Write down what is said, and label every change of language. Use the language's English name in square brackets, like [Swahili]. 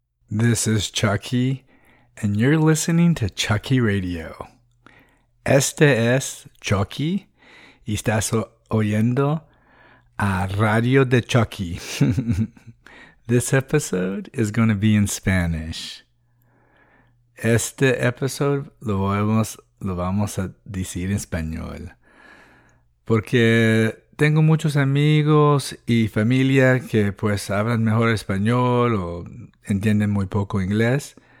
[English] This is Chucky, and you're listening to Chucky Radio. [Spanish] Este es Chucky, y estás oyendo a Radio de Chucky. [English] This episode is going to be in Spanish. [Spanish] Este episode lo vamos a decir en español. Porque tengo muchos amigos y familia que pues hablan mejor español o entienden muy poco inglés.